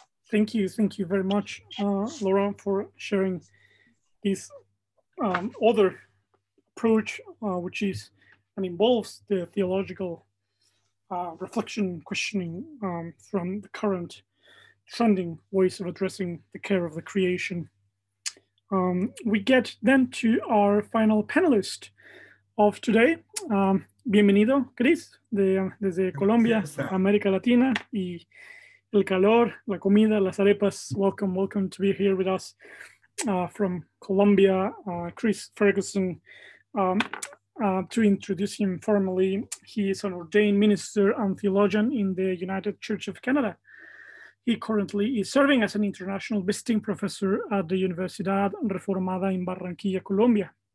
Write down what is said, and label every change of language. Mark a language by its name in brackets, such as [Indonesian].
[English] Thank you very much, Laurent, for sharing this other approach, which is, and involves the theological reflection, questioning from the current trending ways of addressing the care of the creation. We get then to our final panelist of today. [Spanish] Bienvenido, Chris, desde Colombia, América Latina, y el calor, la comida, las arepas. [English] Welcome to be here with us from Colombia, Chris Ferguson. To introduce him formally, he is an ordained minister and theologian in the United Church of Canada. He currently is serving as an international visiting professor at the Universidad Reformada in Barranquilla, Colombia.